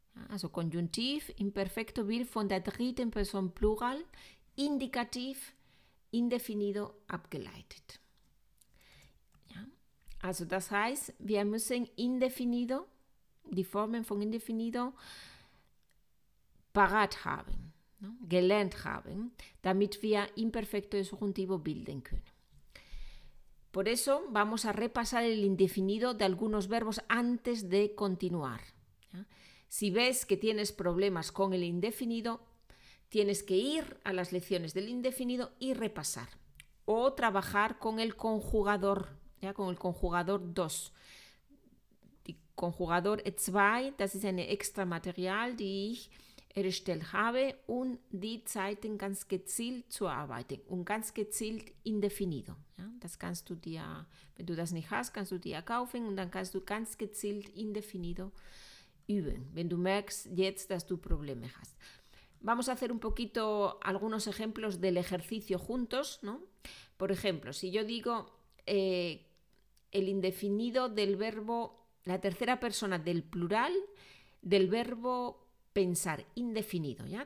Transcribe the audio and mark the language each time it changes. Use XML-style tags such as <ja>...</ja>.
<de>Also, Konjunktiv, imperfecto, wird von der dritten Person plural, indikativ, indefinido abgeleitet. Also, das heißt, wir müssen indefinido, die Formen von indefinido parat haben, ne, gelernt haben, damit wir imperfecto subjuntivo bilden können.</de> <es>Por eso vamos a repasar el indefinido de algunos verbos antes de continuar. ¿Ya? Si ves que tienes problemas con el indefinido, tienes que ir a las lecciones del indefinido y repasar. O trabajar con el conjugador, ¿ya? Con el conjugador 2.</es> <de>Conjugador 2, das ist ein extra Material, die ich erstellt habe, um die Zeiten ganz gezielt zu arbeiten und ganz gezielt indefinido. Ja? Das kannst du dir, wenn du das nicht hast, kannst du dir kaufen und dann kannst du ganz gezielt indefinido üben, wenn du merkst jetzt, dass du Probleme hast.</de> <es>Vamos a hacer un poquito algunos ejemplos del ejercicio juntos, ¿no? Por ejemplo, si yo digo el indefinido del verbo, la tercera persona del plural del verbo pensar, indefinido, ¿ya?</es>